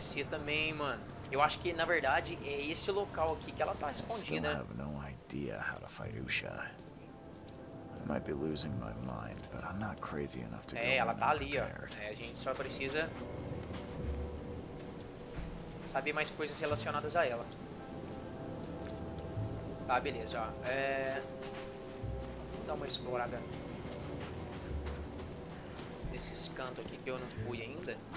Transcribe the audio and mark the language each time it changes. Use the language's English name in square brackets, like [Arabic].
[Portuguese] Também, mano. Eu acho que na verdade é esse local aqui que ela tá escondida. [English] I have no idea how to fight Usha. I might be losing my mind, but I'm not crazy enough to go. [Portuguese] É, ela tá ali, ó. É, a gente só precisa saber mais coisas relacionadas a ela. Tá, beleza, ó. Vou dar uma explorada nesses cantos aqui que eu não fui ainda.